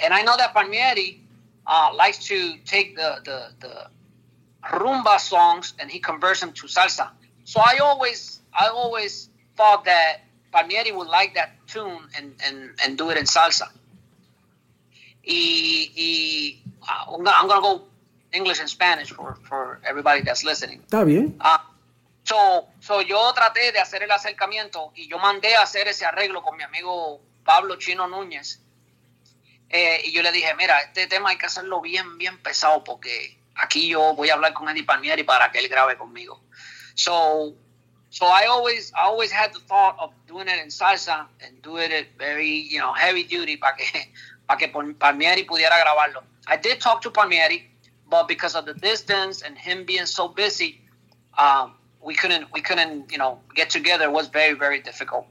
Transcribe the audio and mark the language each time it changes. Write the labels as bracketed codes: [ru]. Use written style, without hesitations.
[en] And I know that Palmieri likes to take the rumba songs and he converts them to salsa. So I always thought that Palmieri would like that tune and do it in salsa. I'm gonna go English and Spanish for everybody that's listening. [es] Está bien. So yo traté de hacer el acercamiento y yo mandé a hacer ese arreglo con mi amigo Pablo Chino Núñez. Y yo le dije, mira, este tema hay que hacerlo bien, bien pesado, porque aquí yo voy a hablar con Eddie Palmieri para que él grabe conmigo. [en] So I always had the thought of doing it in salsa and doing it very, you know, heavy duty [es] para que Palmieri pudiera grabarlo. [en] I did talk to Palmieri, but because of the distance and him being so busy, we couldn't, you know, get together. It was very, very difficult.